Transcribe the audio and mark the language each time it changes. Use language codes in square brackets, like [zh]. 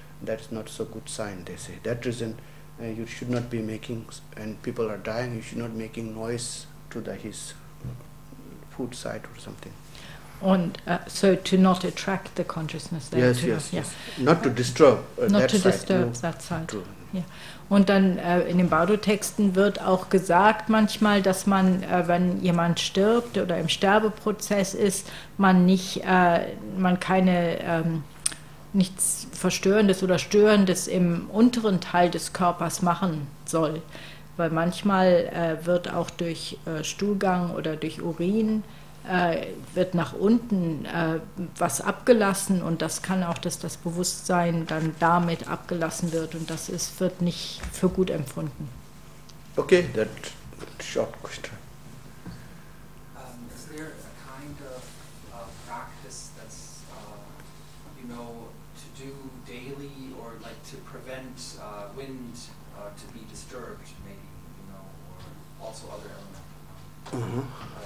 [en] That's not so good sign, they say. That reason you should not be making, and people are dying, you should not be making noise to the his food side or something. And so to not attract the consciousness there. Yes. Not to disturb that side. To, ja. [de] Und dann in den Bardo-Texten wird auch gesagt manchmal, dass man, wenn jemand stirbt oder im Sterbeprozess ist, man nicht, man keine, nichts Verstörendes oder Störendes im unteren Teil des Körpers machen soll. Weil manchmal wird auch durch Stuhlgang oder durch Urin, wird nach unten was abgelassen und das kann auch, dass das Bewusstsein dann damit abgelassen wird und das ist, wird nicht für gut empfunden. [en] Okay, that short question. Is there a kind of practice that's, you know, to do daily or like to prevent wind to be disturbed, maybe, you know, or also other elements? Mm-hmm.